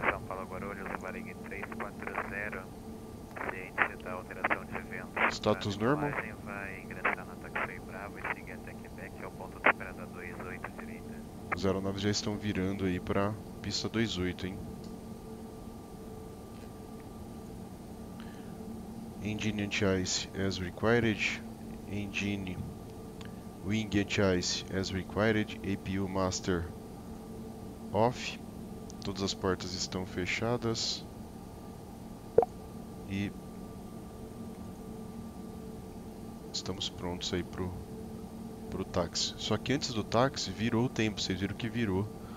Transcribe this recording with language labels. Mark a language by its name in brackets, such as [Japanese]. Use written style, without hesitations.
[Portuguese] São Paulo Guarulhos, Varig 340. Ciente da alteração de vento. Status normal. Vai ingressar na Taxi Bravo e seguir até Quebec, ao ponto de espera da 28 direita. Os aeronaves já estão virando aí para pista 28, hein? [English] Engine anti-ice as required. Engine. Wing anti-ice as required, APU master off, [Portuguese] todas as portas estão fechadas e estamos prontos aí pro táxi. Só que antes do táxi virou o tempo, vocês viram que virou